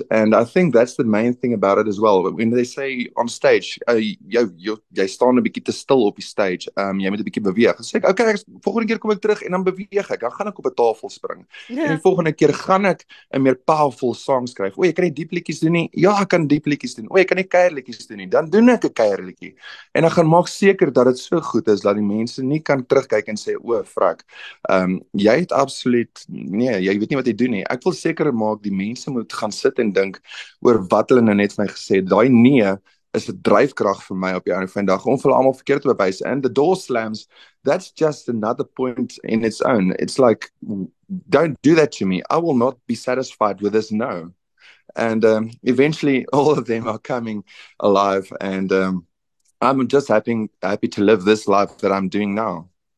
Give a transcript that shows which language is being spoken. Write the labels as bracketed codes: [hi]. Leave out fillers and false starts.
[en] And I think that's the main thing about it as well. When they say on stage, [af] jy staan 'n bietjie te stil op die stage, jy moet 'n bietjie beweeg. Sê ek, okay, volgende keer kom ek terug en dan beweeg ek. Dan gaan ek op 'n tafel spring. Yeah. En die volgende keer gaan ek 'n meer powerful song skryf. O, jy kan nie diep liedjies doen nie. Ja, ek kan diep liedjies doen. O, jy kan nie keier liedjies doen nie. Dan doen ek 'n keier liedjie. En dan gaan maak seker dat dit so goed is dat die mense nie kan terugkyk en sê, o, frak, jy het absoluut, nee, jy weet nie wat jy doen nie. Ek wil seker maak die mense moet gaan sit en dink oor wat hulle nou net vir my gesê het. Daai nee is 'n dryfkrag vir my op die einde van die dag om vir almal verkeerd te bewys. [en] And the door slams, that's just another point in its own. It's like, don't do that to me. I will not be satisfied with this no. And eventually all of them are coming alive. And I'm just happy to live this life that I'm doing now.